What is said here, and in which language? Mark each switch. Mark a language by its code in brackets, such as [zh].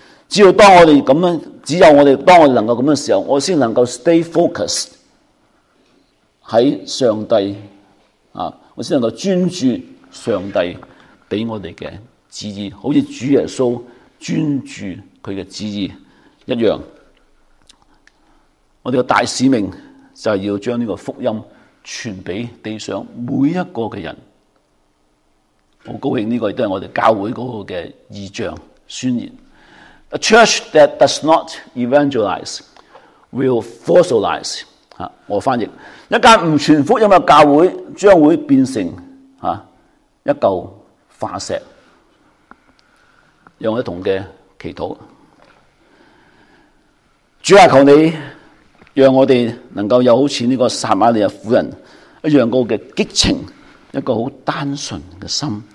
[zh] 只要当我们这样，只有我们当我们能够这样的时候，我才能够 [en] stay focused [zh] 在上帝我才能够专注上帝给我们的旨意，好像主耶稣专注他的旨意一样。我们的大使命就是要将这个福音传给地上每一个的人。好高兴，这个也是我们教会的意象宣言。 [en] A church that does not evangelize will fossilize。 [zh] 我翻译，一间不传福音的教会将会变成一旧化石。让我一同的祈祷。主啊，求你让我们能够有好像这个撒玛利亚妇人一样的激情，一个很单纯的心。